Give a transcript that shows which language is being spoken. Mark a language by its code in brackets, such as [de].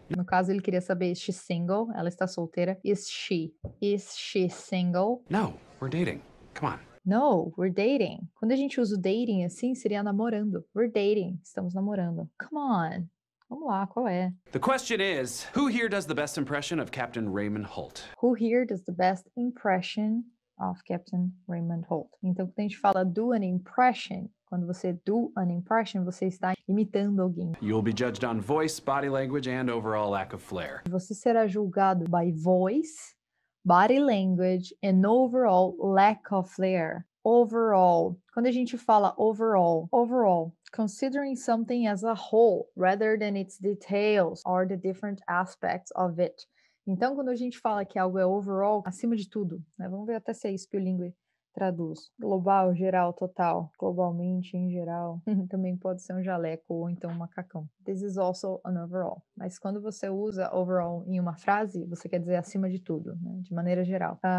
[pt] No caso, ele queria saber, [en] is she single? [pt] Ela está solteira. [en] Is she single? No, we're dating. Come on. No, we're dating. [pt] Quando a gente usa o dating assim, seria namorando. [en] We're dating. [pt] Estamos namorando. [en] Come on. [pt] Vamos lá, qual é? [en] The question is, who here does the best impression of Captain Raymond Holt? Who here does the best impression of Captain Raymond Holt? [pt] Então, quando a gente fala [en] do an impression, [pt] quando você do an impression, você está imitando alguém. [en] You'll be judged on voice, body language, and overall lack of flair. [pt] Você será julgado [en] by voice, body language, and overall lack of flair. Overall. [pt] Quando a gente fala overall, overall. [en] Considering something as a whole, rather than its details or the different aspects of it. [pt] Então, quando a gente fala que algo é overall, acima de tudo, né? Vamos ver até se é isso que o língua traduz. Global, geral, total. Globalmente, em geral. Também pode ser um jaleco ou então um macacão. [en] This is also an overall. [pt] Mas quando você usa overall em uma frase, você quer dizer acima de tudo, né? De maneira geral.